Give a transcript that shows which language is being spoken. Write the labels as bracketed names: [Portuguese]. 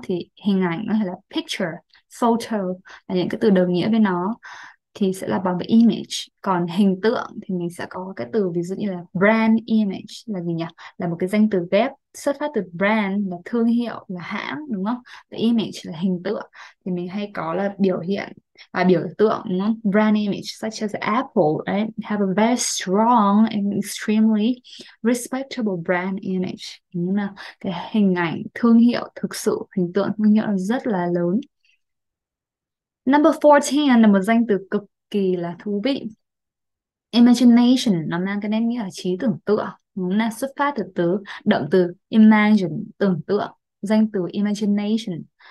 [Vietnamese] Thì hình ảnh nó là picture, photo, là những cái từ đồng nghĩa với nó, thì sẽ là bằng cái image. Còn hình tượng thì mình sẽ có cái từ ví dụ như là brand image, là gì nhỉ? Là một cái danh từ ghép xuất phát từ brand, là thương hiệu, là hãng, đúng không? Và image là hình tượng, thì mình hay có là biểu hiện, và biểu tượng, đúng không? [English] Brand image, such as Apple, right? Have a very strong and extremely respectable brand image. [Vietnamese] Đúng không? Cái hình ảnh, thương hiệu, thực sự, hình tượng, thương hiệu rất là lớn. Number 14 là một danh từ cực kỳ là thú vị. Imagination, nó mang cái nghĩa là trí tưởng tượng. Đúng là xuất phát từ từ động từ imagine, tưởng tượng, danh từ imagination.